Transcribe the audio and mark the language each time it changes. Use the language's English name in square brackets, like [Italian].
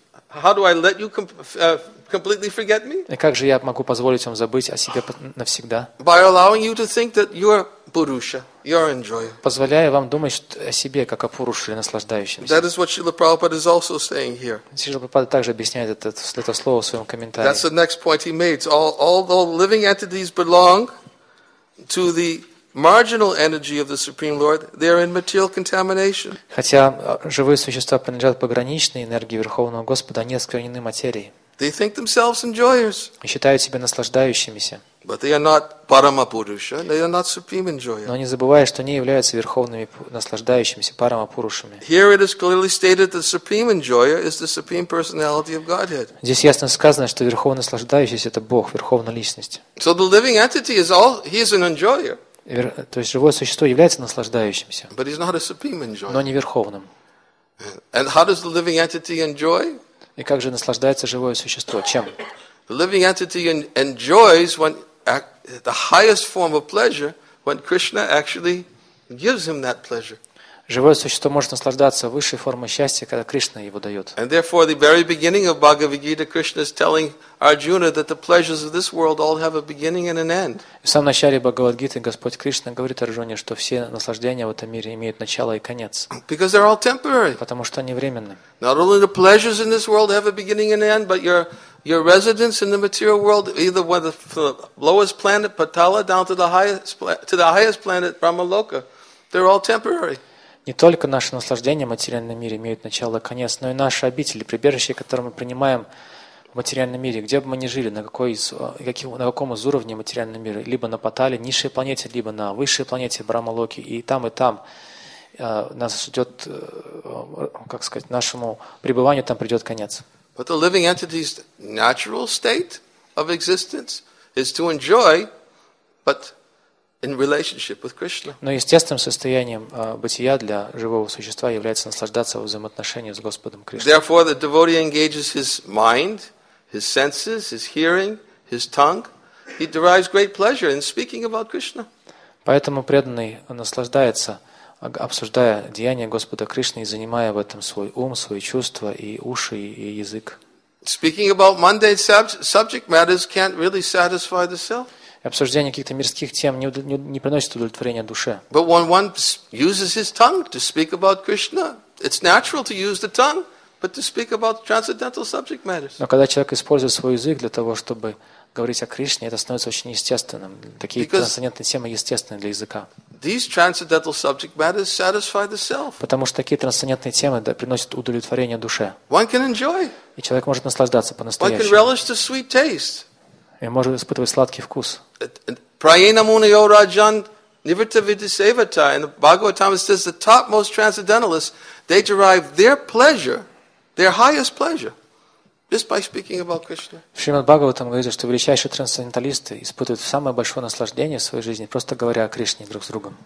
[English] How do I let you completely forget me? [Russian] И как же я могу позволить вам забыть о себе навсегда? [English] By allowing you to think that you are Purusha, you are enjoyer. [Russian] Позволяя вам думать о себе как о Пуруше, наслаждающемся. [English] That is what Srila Prabhupada is also saying here. [Russian] Srila Prabhupada также объясняет это слово в своем комментарии. [English] That's the next point he made. Although living entities belong to the marginal energy of the Supreme Lord, they are in material contamination. [Russian] Хотя живые существа принадлежат пограничной энергии Верховного Господа, они осквернены материей. [English] They think themselves enjoyers. [Russian] И считают себя наслаждающимися. [English] But they are not Paramapurusha. They are not supreme enjoyers. [Russian] Но не забывая, что они являются верховными наслаждающимися Парамапурушами. [English] Here it is clearly stated that the supreme enjoyer is the supreme personality of Godhead. [Russian] Здесь ясно сказано, что верховный наслаждающийся — это Бог, верховная личность. [English] So the living entity is all. He is an enjoyer. [Russian] То есть живое существо является наслаждающимся. [English] But he's not a supreme enjoyer. [Russian] Но не верховным. [English] And how does the living entity enjoy? [Russian] И как же наслаждается живое существо? Чем? [English] The living entity enjoys when the highest form of pleasure when Krishna actually gives him that pleasure. [Russian] Живое существо может наслаждаться высшей формой счастья, когда Кришна его дает. [English] And therefore, the very beginning of Bhagavad Gita, Krishna is telling Arjuna that the pleasures of this world all have a beginning and an end. [Russian] В самом начале Бхагавад-гиты Господь Кришна говорит Арджуне, что все наслаждения в этом мире имеют начало и конец. [English] Because they're all temporary. [Russian] Потому что они временны. [English] Not only the pleasures in this world have a beginning and an end, but your residence in the material world, either whether from the lowest planet Patala down to the highest planet Brahmaloka, they're all temporary. [Russian] Не только наши наслаждения в материальном мире имеют начало и конец, но и наши обители, прибежище, которое мы принимаем в материальном мире, где бы мы ни жили, на каком из уровней материального мира, либо на Патале, низшей планете, либо на высшей планете Брахмалоке, и там нас ждет, как сказать, нашему пребыванию там придет конец. [English] But the living entity's natural state of existence is to enjoy, but in relationship with Krishna. [Russian] Но естественным состоянием бытия для живого существа является наслаждаться в взаимоотношении с Господом Кришной. [English] Therefore, the devotee engages his mind, his senses, his hearing, his tongue. He derives great pleasure in speaking about Krishna. [Russian] Поэтому преданный наслаждается, обсуждая деяния Господа Кришны и занимая в этом свой ум, свои чувства и уши и язык. [English] Speaking about mundane subject matters can't really satisfy the self. [Russian] Обсуждение каких-то мирских тем не приносит удовлетворения душе. [English] But when one uses his tongue to speak about Krishna, it's natural to use the tongue, but to speak about transcendental subject matters. [Russian] Но когда человек использует свой язык для того, чтобы говорить о Кришне, это становится очень естественным. Такие трансцендентные темы естественны для языка. [English] These transcendental subject matters satisfy the self. [Russian] Потому что такие трансцендентные темы приносят удовлетворение душе. [English] One can enjoy. [Russian] И человек может наслаждаться по-настоящему. [English] One can relish the sweet taste. [Russian] И может испытывать сладкий вкус. [Sanskrit] Prayena munayo rajan nivritta vidisevata. [English] In the Bhagavatam it says the topmost transcendentalists, they derive their pleasure, their highest pleasure, just by speaking about Krishna. [Russian] В Шримад Бхагаватам говорится, что величайшие трансценденталисты испытывают самое большое наслаждение в своей жизни, просто говоря о Кришне друг с другом.